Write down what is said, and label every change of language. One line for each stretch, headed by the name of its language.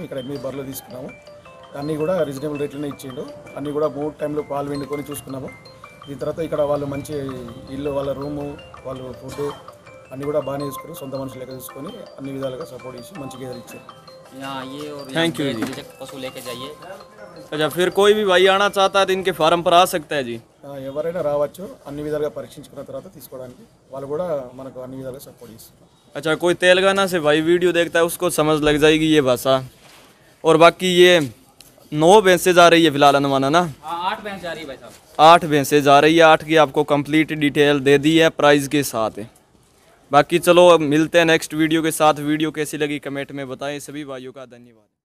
Telugu: ఇక్కడ 8 బర్రెలు తీసుకున్నాము, అన్నీ కూడా రీజనబుల్ రేట్లోనే ఇచ్చిండు. అన్నీ కూడా 3 టైంలో పాలు వెండుకొని చూసుకున్నాము. దీని తర్వాత ఇక్కడ వాళ్ళు మంచి ఇల్లు, వాళ్ళ రూము, వాళ్ళు ఫుడ్ అన్నీ కూడా బాగానే చూసుకుని సొంత మనుషులు లెక్క చూసుకొని అన్ని విధాలుగా సపోర్ట్ చేసి మంచి గేదెలు ఇచ్చారు.
Hindi: थैंक यू जी, पशु लेके जाइए। अच्छा, फिर कोई भी भाई आना चाहता है तो इनके फार्म पर आ सकता है जी?
Telugu: ఎవరైనా రావచ్చు, అన్ని విధాలుగా పరీక్షించుకున్న తర్వాత తీసుకోవడానికి వాళ్ళు కూడా మనకు అన్ని విధాలుగా సపోర్ట్ చేస్తారు.
Hindi: अच्छा, कोई तेलंगाना से भाई वीडियो देखता है उसको समझ लग जाएगी ये भाषा। और बाकी ये 9 भैंसे जा रही है फिलहाल अनुमाना ना? 8 भैंस जा रही है भाई साहब। 8 भैंसे जा रही है, 8 की आपको कंप्लीट डिटेल दे दी है प्राइस के साथ। बाकी चलो मिलते हैं नेक्स्ट वीडियो के साथ। वीडियो कैसी लगी कमेंट में बताएं। सभी भाइयों का धन्यवाद।